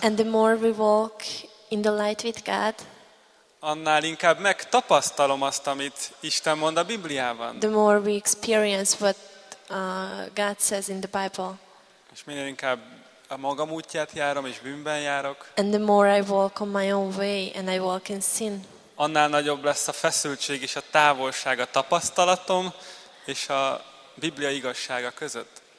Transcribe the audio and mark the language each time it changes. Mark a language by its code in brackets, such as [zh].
[en] And the more we walk in the light with God. [hu] Annál inkább megtapasztalom azt, amit Isten mond a Bibliában. [en] The more we experience what God says in the Bible. [hu] És minél inkább a magam útját járom és bűnben járok. [en] And the more I walk on my own way and I walk in sin. [hu] Annál nagyobb lesz a feszültség és a távolság a tapasztalatom és a Biblia igazsága között.